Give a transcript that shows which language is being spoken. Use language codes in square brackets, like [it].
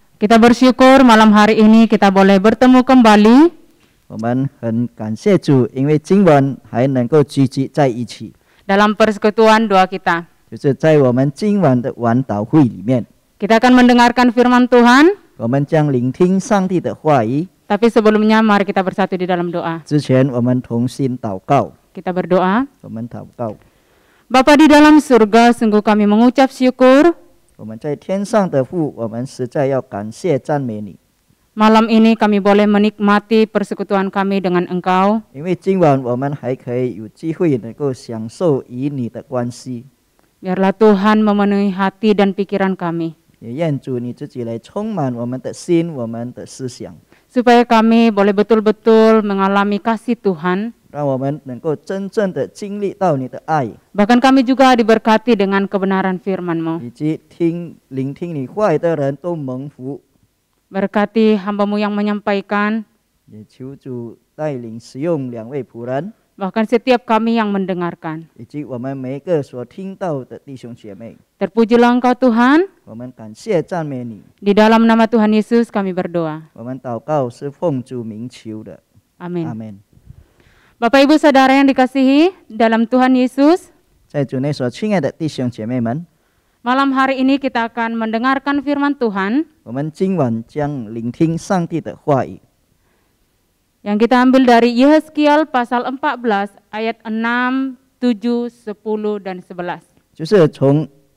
[id] Kita bersyukur malam hari ini kita boleh bertemu kembali. [zh] 我们很感谢主，因为今晚还能够聚集在一起。 [id] Dalam persekutuan doa kita. [zh] 就是在我们今晚的晚祷会里面。 [id] Kita akan mendengarkan firman Tuhan. [zh] 我们将聆听上帝的话语。 [id] Tapi sebelumnya mari kita bersatu di dalam doa. [zh] 之前我们同心祷告。 [id] Kita berdoa. [zh] 我们祷告。 [id] Bapa di dalam surga, sungguh kami mengucap syukur. [zh] 我们在天上的父，我们实在要感谢赞美你。 [id] Malam ini kami boleh menikmati persekutuan kami dengan Engkau. [zh] 因为今晚我们还可以有机会能够享受与你的关系。 [id] Biarlah Tuhan memenuhi hati dan pikiran kami. [zh] 也愿主你自己来充满我们的心，我们的思想。 [id] Supaya kami boleh betul-betul mengalami kasih Tuhan. [zh] 让我们能够真正的经历到你的爱。 [id] Bahkan kami juga diberkati dengan kebenaran firman-Mu. [zh] 以及聆听你话语的人都蒙福。 [id] Berkati hamba-Mu yang menyampaikan. [zh] 也求主带领使用两位仆人。 [id] Bahkan setiap kami yang mendengarkan. [zh] 以及我们每一个所听到的弟兄姐妹。 [id] Terpujilah Engkau Tuhan. [zh] 我们感谢赞美你。 [id] Di dalam nama Tuhan Yesus kami berdoa. [zh] 我们祷告是奉主名求的。 [id] Amin. Amin. Bapak Ibu Saudara yang dikasihi dalam Tuhan Yesus. [zh] 在主内所亲爱的弟兄姐妹们。 [id] Malam hari ini kita akan mendengarkan firman Tuhan. [zh] 我们今晚将聆听上帝的话语。 [id] Yang kita ambil dari Yehezkiel pasal 14 ayat 6, 7, 10 dan 11.